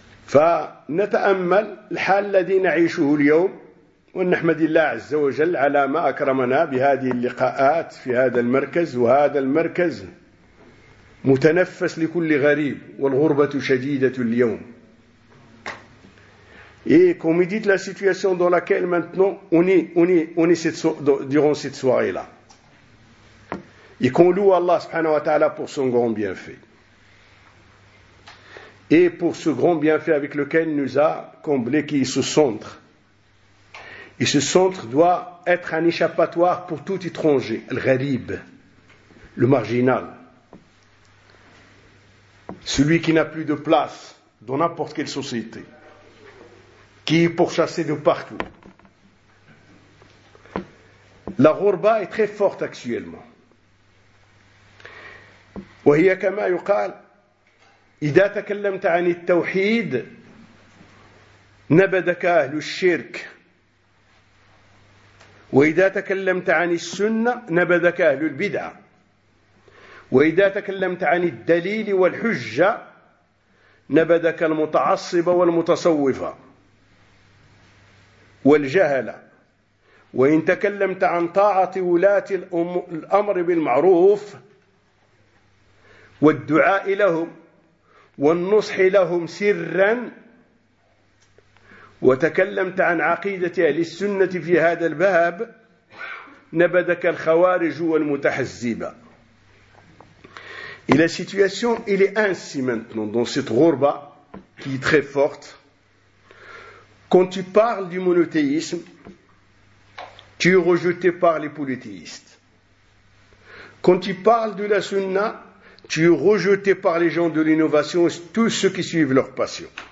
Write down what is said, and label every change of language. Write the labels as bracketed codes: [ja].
[ar] فنتأمل الحال الذي نعيشه اليوم ونحمد الله عز وجل على ما أكرمنا بهذه اللقاءات في هذا المركز وهذا المركز متنفس لكل غريب والغربة شديدة اليوم. [fr] Et comme dit la situation dans laquelle maintenant on est durant cette soirée-là. Et qu'on loue Allah subhanahu wa ta'ala pour son grand bienfait. Et pour ce grand bienfait avec lequel il nous a comblé, qui est ce centre. Et ce centre doit être un échappatoire pour tout étranger, le gharib. le marginal, celui qui n'a plus de place dans n'importe quelle société, qui est pourchassé de partout. La ghurba est très forte actuellement. [ar] وهي كما يقال إذا تكلمت عن التوحيد نبذك أهل الشرك وإذا تكلمت عن السنة نبذك أهل البدعة وإذا تكلمت عن الدليل والحجة نبذك المتعصب والمتصوف والجهل وإن تكلمت عن طاعة ولاة الأمر بالمعروف والدعاء لهم والنصح لهم سرا وتكلمت عن عقيدة أهل السنة في هذا الباب نبذك الخوارج والمتحزبة. [fr] Et la situation, elle est ainsi maintenant dans cette ghurba qui est très forte. Quand tu parles du monothéisme, tu es rejeté par les polythéistes. Quand tu parles de la sunna, tu es rejeté par les gens de l'innovation et tous ceux qui suivent leur passion.